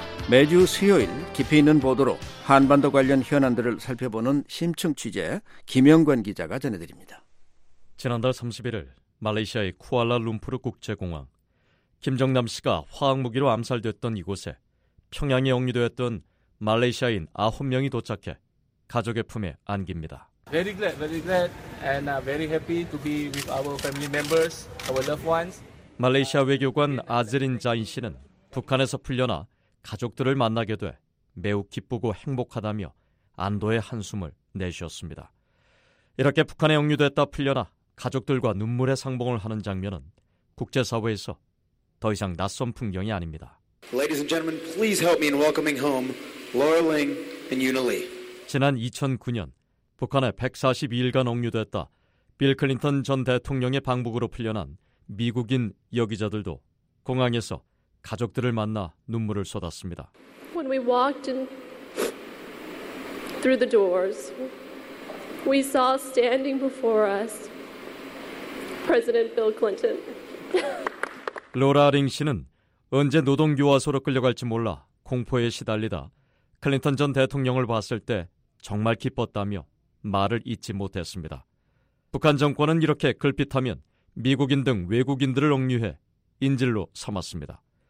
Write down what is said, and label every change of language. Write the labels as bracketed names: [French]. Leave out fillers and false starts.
[Korean] 매주 수요일 깊이 있는 보도로 한반도 관련 현안들을 살펴보는 심층 취재 김영관 기자가 전해드립니다. 지난달 31일 말레이시아의 쿠알라룸푸르 국제공항 김정남 씨가 화학무기로 암살됐던 이곳에 평양에 억류되었던 말레이시아인 9명이 도착해 가족의 품에 안깁니다. [English] Very glad, very glad and very happy to be with our family members, our loved ones. [Korean] 말레이시아 외교관 아즈린 자인 씨는 북한에서 풀려나 가족들을 만나게 돼 매우 기쁘고 행복하다며 안도의 한숨을 내쉬었습니다. 이렇게 북한에 억류됐다 풀려나 가족들과 눈물의 상봉을 하는 장면은 국제사회에서 더 이상 낯선 풍경이 아닙니다. [English] Ladies and gentlemen, please help me in welcoming home Laura Ling and Yuna Lee. [Korean] 지난 2009년 북한에 142일간 억류됐다 빌 클린턴 전 대통령의 방북으로 풀려난 미국인 여기자들도 공항에서 가족들을 만나 눈물을 쏟았습니다. [English] When we walked in through the doors, we saw standing before us President Bill Clinton. [Korean] 로라 링 씨는 언제 노동교화소로 끌려갈지 몰라 공포에 시달리다 클린턴 전 대통령을 봤을 때 정말 기뻤다며 말을 잊지 못했습니다. 북한 정권은 이렇게 글핏하면 미국인 등 외국인들을 억류해 인질로 삼았습니다.